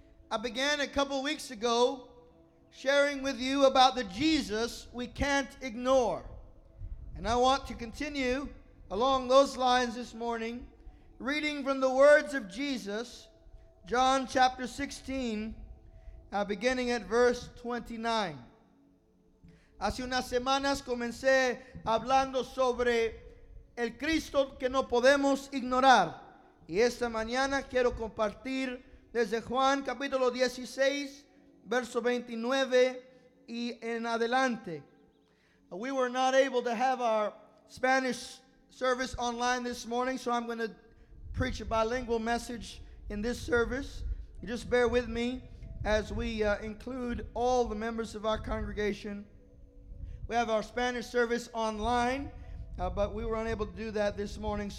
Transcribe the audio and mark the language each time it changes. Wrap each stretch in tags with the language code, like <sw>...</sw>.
<en>I began a couple weeks ago sharing with you about the Jesus we can't ignore. And I want to continue along those lines this morning, reading from the words of Jesus, John chapter 16, now beginning at verse 29.</en> <es>Hace unas semanas comencé hablando sobre el Cristo que no podemos ignorar. Y esta mañana quiero compartir desde Juan capítulo 16, verso 29 y en adelante.</es> <en>We were not able to have our Spanish service online this morning, so I'm going to preach a bilingual message in this service. You just bear with me as we include all the members of our congregation. We have our Spanish service online, but we were unable to do that this morning.</en>